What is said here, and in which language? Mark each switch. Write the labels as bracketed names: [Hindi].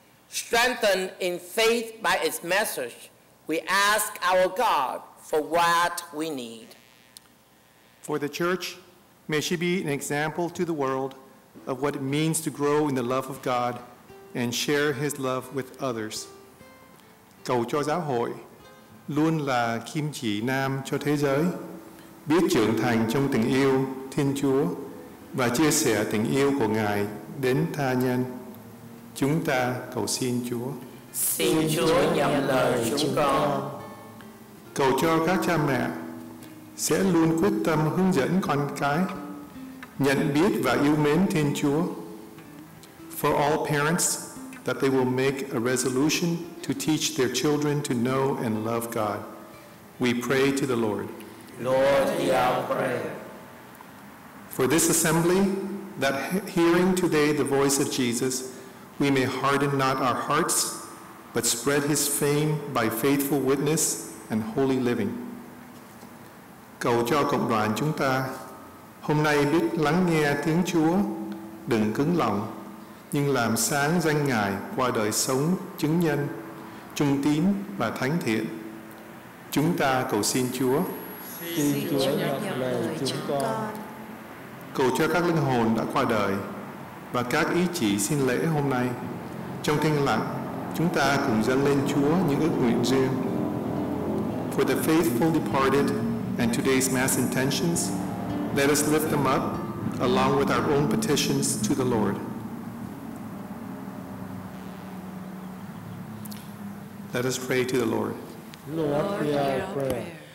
[English] Strengthened in faith by his message, we ask our God for what we need. For the church, may she be an example to the world of what it means to grow in the love of God and share his love with others. [Vietnamese] Cầu cho giáo hội luôn là kim chỉ nam cho thế giới, biết trưởng thành trong tình yêu Thiên Chúa và chia sẻ tình yêu của Ngài đến tha nhân. Chúng ta cầu xin Chúa. Xin Chúa nhận lời chúng con. Cầu cho các cha mẹ sẽ luôn quyết tâm hướng dẫn con cái nhận biết và yêu mến Thiên Chúa. [English] For all parents, that they will make a resolution to teach their children to know and love God. We pray to the Lord. Lord, hear our prayer. For this assembly, that hearing today the voice of Jesus, we may harden not our hearts, but spread his fame by faithful witness and holy living. [Vietnamese] Cầu cho cộng đoàn chúng ta hôm nay biết lắng nghe tiếng Chúa, đừng cứng lòng, nhưng làm sáng danh Ngài qua đời sống, chứng nhân, trung tín và thánh thiện. Chúng ta cầu xin Chúa. Xin Chúa nhận lời chúng con. Cầu cho các linh hồn đã qua đời và các ý chỉ xin lễ hôm nay. Trong thinh lặng, chúng ta cùng dâng lên Chúa những ước nguyện riêng. [English] For the faithful departed and today's Mass intentions, let us lift them up along with our own petitions to the Lord. Let us pray to the Lord. Lord, hear our prayer.